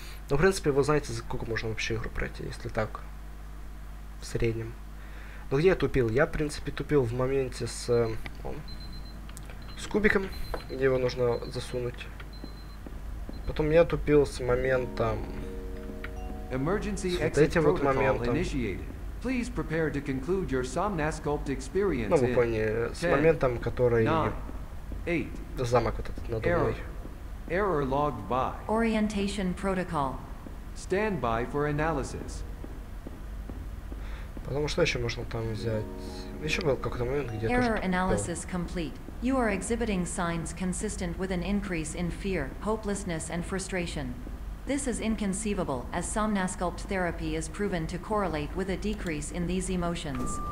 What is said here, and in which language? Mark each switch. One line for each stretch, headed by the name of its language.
Russian: Ну, в принципе, вы знаете, за сколько можно вообще игру пройти, если так, в среднем. Ну, где я тупил? Я, в принципе, тупил в моменте с кубиком, где его нужно засунуть. Потом я тупил с моментом.
English: Emergency exit protocol initiated. Please prepare to conclude your Somnasculpt experience.
Russian: Ну, вы поняли, с моментом, который 8. Замок вот этот надо мной.
English: Error logged by. Orientation protocol. Stand by for analysis.
Russian: Потому что еще можно там взять. Еще был какой-то момент, где
English: error analysis complete. You are exhibiting signs consistent with an increase in fear, hopelessness and frustration. This is inconceivable, as Somnasculpt therapy is proven to correlate with a decrease in these emotions.